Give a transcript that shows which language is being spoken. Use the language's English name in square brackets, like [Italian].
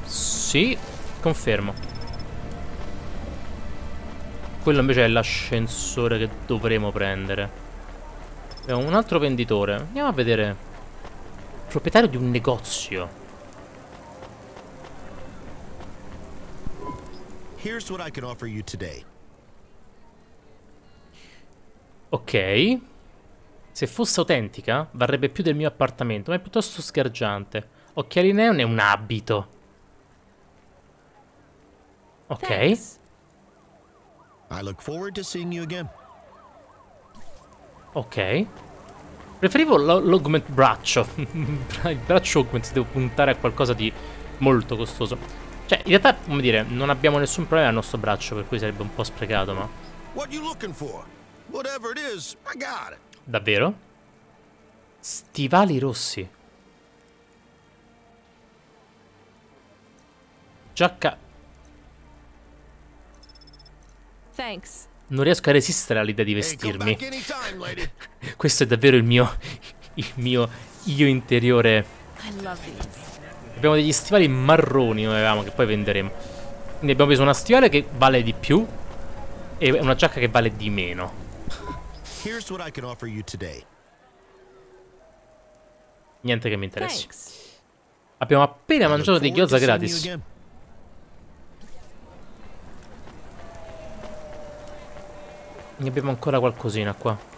[Italian] Sì, confermo. Quello invece è l'ascensore che dovremo prendere. È un altro venditore. Andiamo a vedere. Proprietario di un negozio. [English] Here's what I can offer you today. [Italian] Ok. Se fosse autentica, varrebbe più del mio appartamento, ma è piuttosto sgargiante. Occhiali neon è un abito. Ok. [English] Thanks. I look forward to seeing you again. [Italian] Ok. Preferivo l'augment braccio. Il braccio augment, se devo puntare a qualcosa di molto costoso. Cioè, in realtà, come dire, non abbiamo nessun problema al nostro braccio, per cui sarebbe un po' sprecato, ma... [English] What you looking for? Whatever it is, I got it. [Italian] Davvero? Stivali rossi. Giacca... [English] Thanks. [Italian] Non riesco a resistere all'idea di vestirmi. [English] Hey, come back anytime, lady. [Italian] Questo è davvero il mio io interiore. [English] I love it. [Italian] Abbiamo degli stivali marroni, noi avevamo, che poi venderemo. Quindi abbiamo preso una stivale che vale di più e una giacca che vale di meno. [English] Here's what I can offer you today. [Italian] Niente che mi interessi. [English] Thanks. [Italian] Abbiamo appena mangiato dei gyoza gratis. Ne abbiamo ancora qualcosina qua.